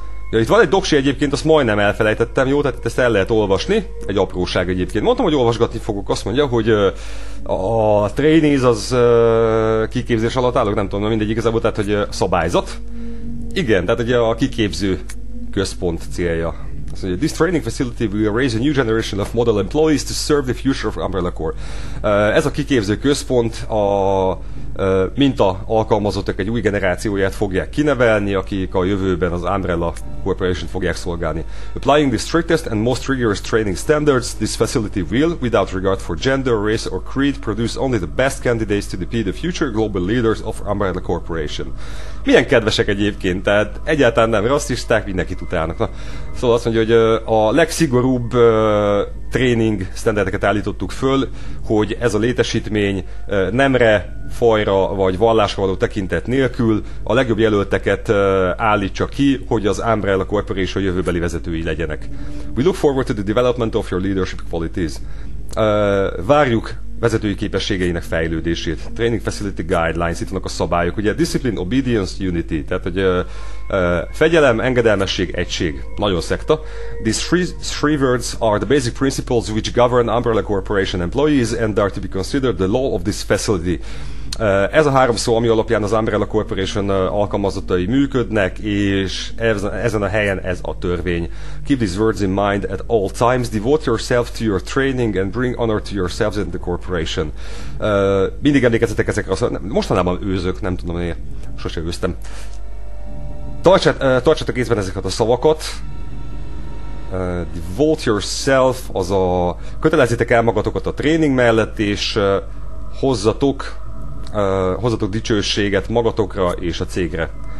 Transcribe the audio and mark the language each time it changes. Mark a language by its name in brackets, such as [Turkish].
[Hungarian] Ja, itt van egy doksi egyébként, azt majdnem elfelejtettem, jó? Tehát itt ezt el lehet olvasni, egy apróság egyébként. Mondtam, hogy olvasgatni fogok, azt mondja, hogy a trainees az kiképzés alatt állok, nem tudom, mindegy igazából, tehát hogy szabályzat. Igen, tehát ugye a kiképző központ célja. Azt mondja, [English] this training facility will raise a new generation of model employees to serve the future of Umbrella Corps. [Hungarian] Ez a kiképző központ a... mint a alkalmazottak egy új generációját fogják kinevelni, akik a jövőben az Umbrella Corporation fogják szolgálni. [English] Applying the strictest and most rigorous training standards, this facility will, without regard for gender, race or creed, produce only the best candidates to be the future global leaders of Umbrella Corporation. [Hungarian] Milyen kedvesek egyébként, tehát egyáltalán nem rasszisták, mindenkit utálnak. Na, szóval azt mondja, hogy a legszigorúbb training standardeket állítottuk föl, hogy ez a létesítmény nemre, fajra vagy vallásra való tekintet nélkül a legjobb jelölteket állítsa ki, hogy az Umbrella Corporation jövőbeli vezetői legyenek. [English] We look forward to the development of your leadership qualities. [Hungarian] Várjuk vezetői képességeinek fejlődését. [English] Training facility guidelines, [Hungarian] itt vannak a szabályok. Ugye [English] discipline, obedience, unity. [Hungarian] Tehát, hogy fegyelem, engedelmesség, egység. Nagyon szekta. [English] These three words are the basic principles which govern Umbrella Corporation employees and are to be considered the law of this facility. [Hungarian] Ez a három szó, ami alapján az Umbrella Corporation alkalmazottai működnek, és ezen a helyen ez a törvény. [English] Keep these words in mind at all times. Devote yourself to your training and bring honor to yourselves and the corporation. [Hungarian] Mindig emlékezzetek ezekre a szó. Mostanában őzök, nem tudom én. Sose őztem. Tartsatok észben ezeket a szavakat. [English] Devote yourself, [Hungarian] az a... Kötelezzétek el magatokat a training mellett, és hozzatok dicsőséget magatokra és a cégre.